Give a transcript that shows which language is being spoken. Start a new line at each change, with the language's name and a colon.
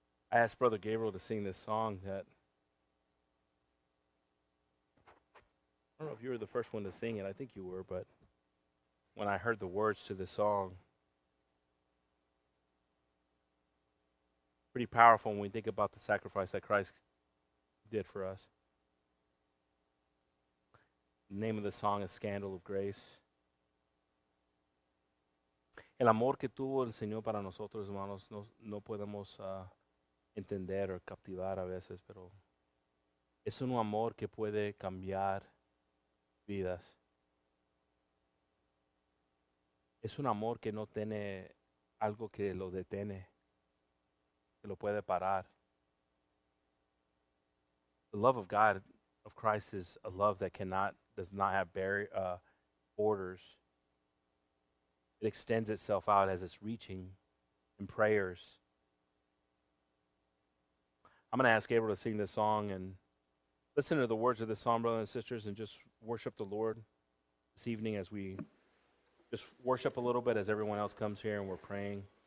English: I asked Brother Gabriel to sing this song that I don't know if you were the first one to sing it. I think you were, but when I heard the words to this song, pretty powerful when we think about the sacrifice that Christ did for us. The name of the song is Scandal of Grace.
Spanish: El amor que tuvo el Señor para nosotros, hermanos, no podemos entender o captivar a veces, pero es un amor que puede cambiar vidas. Es un amor que no tiene algo que lo detiene, que lo puede parar.
English: The love of God, of Christ, is a love that does not have borders. It extends itself out as it's reaching in prayers. I'm going to ask Gabriel to sing this song and listen to the words of this song, brothers and sisters, and just worship the Lord this evening as we just worship a little bit as everyone else comes here and we're praying.